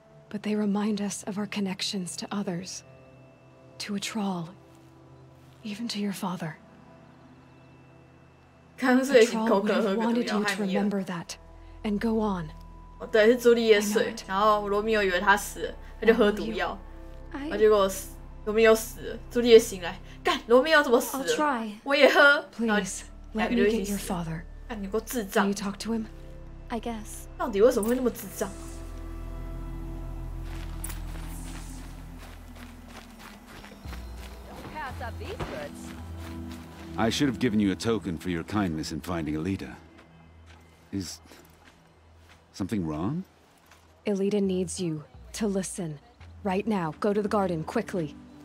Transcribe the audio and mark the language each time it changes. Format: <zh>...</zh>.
<en>But they remind us of our connections to others. To a Troll. Even to your father. A Troll would have wanted you to remember that and go on. Oh, yeah, Juliet died. Then Romeo thought he was dead. He drank poison. And then Romeo died. Juliet woke up.</en> <zh>干，罗密欧怎么死的？我也喝。</zh> <en>Please, let me get your father.</en> <zh>干，你够智障。</zh> <en>Can you talk to him? I guess.</en> <zh>到底为什么会那么智障？</zh> <en>Don't pass up these goods. I should have given you a token for your kindness in finding Alita. Is something wrong? Alita needs you to listen right now. Go to the garden quickly.</en>